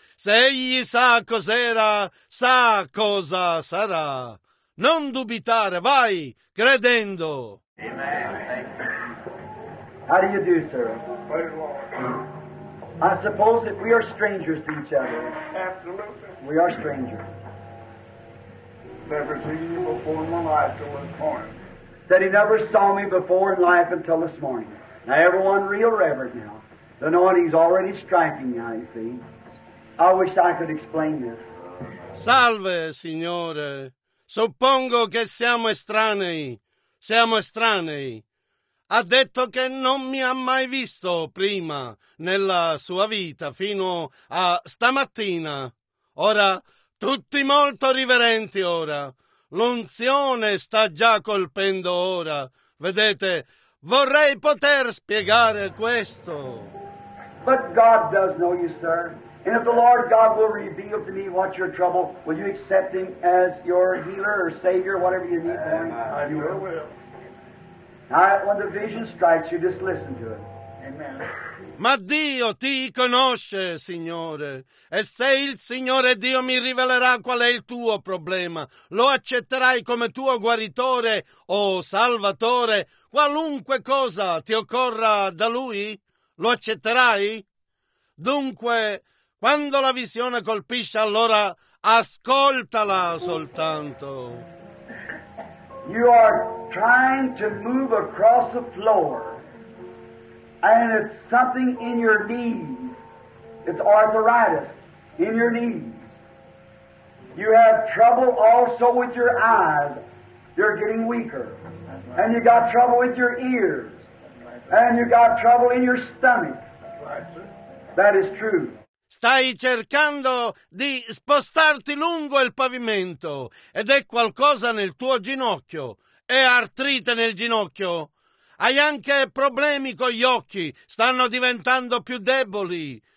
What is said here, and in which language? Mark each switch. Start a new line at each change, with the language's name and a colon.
Italian: Se egli sa cos'era, sa cosa sarà. Non dubitare, vai, credendo. Amen.
English: How do you do, sir? I suppose that we are strangers to each other. Absolutely. We are strangers. Never seen you before in my life till this morning. Said he never saw me before in life until this morning. Now everyone real reverent now. The anointing's already striking now, you see. I wish I could explain this.
Italian: Salve, signore. Suppongo che siamo estranei. Siamo estranei. Ha detto che non mi ha mai visto prima nella sua vita fino a stamattina. Ora, tutti molto riverenti ora. L'unzione sta già colpendo ora. Vedete, vorrei poter spiegare questo.
English: But God does know you, sir. And if the Lord God will reveal to me what your trouble, will you accept him as your healer or savior, whatever you need for him? I will. Now, when the vision strikes you, just listen to it. Amen.
Italian: Ma Dio ti conosce, Signore, e se il Signore Dio mi rivelerà qual è il tuo problema, lo accetterai come tuo guaritore o salvatore, qualunque cosa ti occorra da Lui, lo accetterai? Dunque, quando la visione colpisce, allora ascoltala soltanto.
English: You are trying to move across the floor, and it's something in your knees. It's arthritis in your knees. You have trouble also with your eyes. You're getting weaker. And you got trouble with your ears. And you got trouble in your stomach. That is true.
Italian: Stai cercando di spostarti lungo il pavimento ed è qualcosa nel tuo ginocchio. È artrite nel ginocchio. Hai anche problemi con gli occhi, stanno diventando più deboli.